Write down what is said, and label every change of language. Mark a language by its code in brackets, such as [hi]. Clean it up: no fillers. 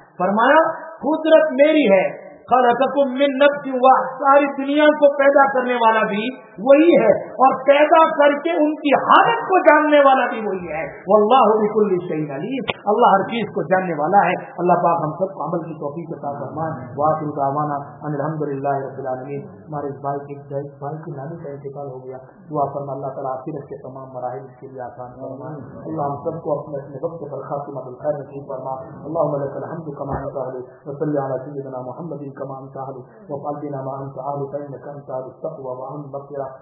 [ur] فرمایا قدرت میری ہے, [ar] خلقکم من نفس واحد, [ur] ساری دنیا کو پیدا کرنے والا بھی وہی ہے, اور پیدا کر کے ان کی حالت کو جاننے والا بھی وہی ہے. [ar] واللہ بكل شيء عليم, [ur] اللہ ہر چیز کو جاننے والا ہے. اللہ پاک ہم سب کو عمل کی توفیق عطا فرمائے. [ar] واخر دعوانا ان الحمد لله رب العالمين. [ur] ہمارے بھائی کی نانی کا انتقال ہو گیا, دعا فرما اللہ تعالیٰ آخرت کے تمام مراحل کے لیے آسان فرمائے. اللہ ہم سب کو اپنے اپنے وقت پر خاتمہ بالخیر نصیب فرما. [ar] اللهم لك الحمد كما ينبغي, وصلي على سيدنا محمد كما ينبغي, وقل لنا ما انت اهل فانك انت اهل التقوى وان بكر.